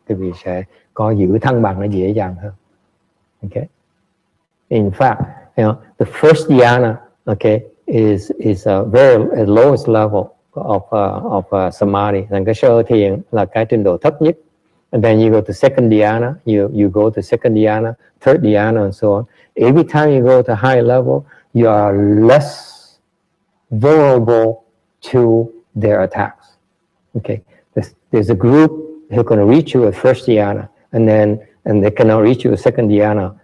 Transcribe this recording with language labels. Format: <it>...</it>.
<vi>Quý vị sẽ có giữ thăng bằng nó dễ dàng hơn, okay?</vi> <en>In fact, you know, the first dhyana, okay, is a very lowest level of samadhi.</en> <vi>Thành cái sơ thiền là cái trình độ thấp nhất.</vi> <en>And then you go to second dhyana, you go to second dhyana, third dhyana, and so on. Every time you go to high level, you are less vulnerable to their attacks. Okay, there's a group who can reach you at first dhyana, and they cannot reach you at second dhyana.</en>